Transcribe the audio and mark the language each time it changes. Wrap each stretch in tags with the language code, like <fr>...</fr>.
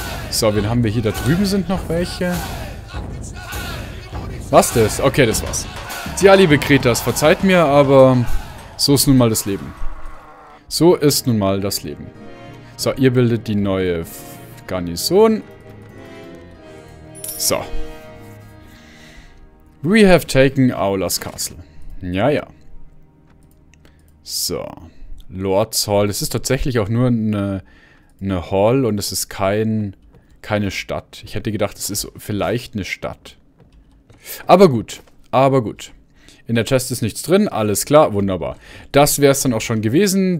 <de>So, wen haben wir hier? Da drüben sind noch welche. Was das? Okay, das war's. Tja, liebe Kretas, verzeiht mir, aber so ist nun mal das Leben. So ist nun mal das Leben. So, ihr bildet die neue Garnison. So.</de> <en>We have taken Aulas Castle.</en> <de>Ja, ja. So. Lord's Hall, das ist tatsächlich auch nur eine Hall und es ist keine Stadt. Ich hätte gedacht, es ist vielleicht eine Stadt. Aber gut, aber gut. In der Chest ist nichts drin, alles klar, wunderbar. Das wäre es dann auch schon gewesen.</de>